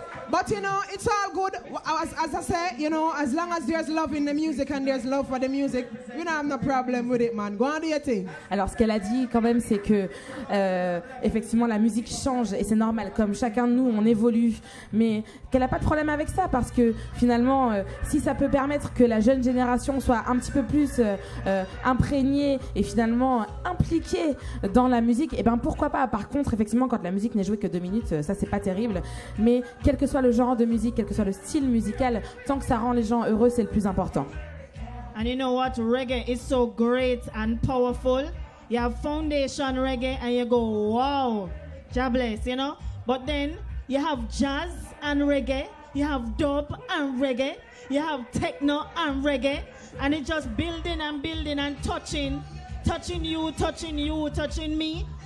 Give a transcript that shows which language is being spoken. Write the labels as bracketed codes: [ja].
[en] But you know, it's all good. As I say, you know, as long as there's love in the music and there's love for the music, we don't have no problem with it, man. Go on, do your thing. [fr] Alors, ce qu'elle a dit quand même, c'est que effectivement, la musique change et c'est normal. Comme chacun de nous, on évolue, mais qu'elle a pas de problème avec ça parce que finalement, si ça peut permettre que la jeune génération soit un petit peu plus imprégnée et finalement impliquée dans la musique, et ben pourquoi pas. Par contre, effectivement, quand la musique n'est jouée que 2 minutes, ça c'est pas terrible. Mais quelque soit le genre de musique, quel que soit le style musical, tant que ça rend les gens heureux, c'est le plus important. [en] And you know what, reggae is so great and powerful. You have foundation reggae and you go, wow, God bless, you know. But then you have jazz and reggae, you have dub and reggae, you have techno and reggae, and it's just building and touching me.